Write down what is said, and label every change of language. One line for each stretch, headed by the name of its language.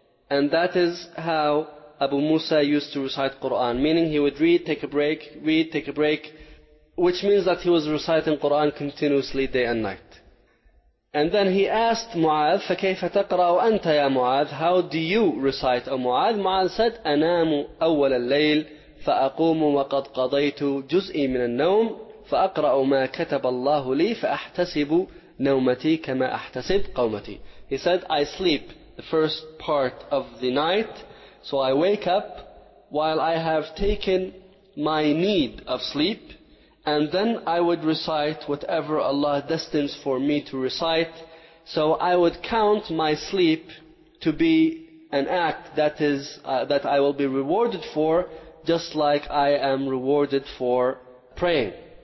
English: And that is how Abu Musa used to recite Qur'an. Meaning he would read, take a break, read, take a break. Which means that he was reciting Qur'an continuously day and night. And then he asked Mu'adh,
Arabic: فَكَيْفَ تَقْرَأُ أَنْتَ يَا مُعَاذ.
English: How do you recite, O Mu'adh? Mu'adh said,
Arabic: أَنَامُ أَوَّلَ اللَّيْلِ فَأَقُومُ وَقَدْ قَضَيْتُ جُزْءِ مِنَ النَّوْمِ فَأَقْرَأُ مَا كَتَبَ اللَّهُ لِي فَأَحْتَسِبُ نومتي كما احتسب قومتي.
English: He said, I sleep the first part of the night, so I wake up while I have taken my need of sleep, and then I would recite whatever Allah destines for me to recite. So I would count my sleep to be an act that is that I will be rewarded for, just like I am rewarded for praying.